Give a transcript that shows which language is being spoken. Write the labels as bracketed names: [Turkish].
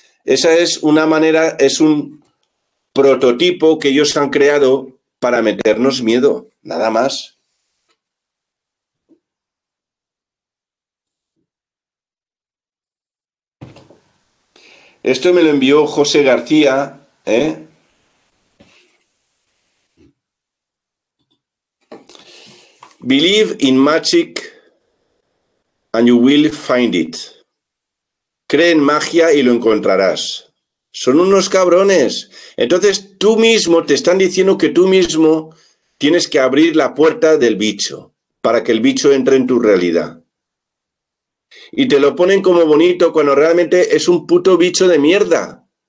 [Spanish] Esa es una manera, es un prototipo que ellos han creado para meternos miedo, nada más. Esto me lo envió José García, ¿eh? [English] Believe in magic and you will find it. [Spanish] Cree en magia y lo encontrarás. Son unos cabrones. Entonces tú mismo, te están diciendo que tú mismo tienes que abrir la puerta del bicho para que el bicho entre en tu realidad. Y te lo ponen como bonito cuando realmente es un puto bicho de mierda.